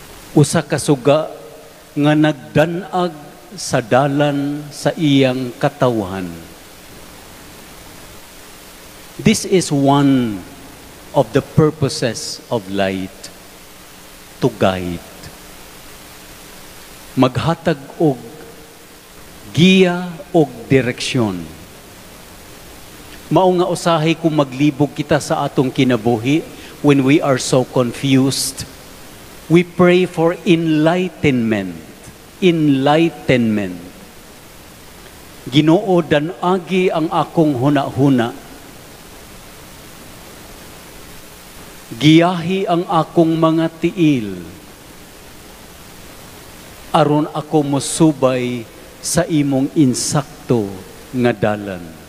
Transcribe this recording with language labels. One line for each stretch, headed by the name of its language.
Cebuano: Usa ka suga nga nagdanag sa dalan sa iyang katawhan.
English: This is one of the purposes of light, to guide.
Cebuano: Maghatag og giya og direksyon. Mao nga usahay kung maglibog kita sa atong kinabuhi,
English: when we are so confused, we pray for enlightenment.
Cebuano: Enlightenment. Ginoo, danagi ang akong huna-huna. Giyahi ang akong mga tiil. Aron ako mosubay sa imong insakto nga dalan.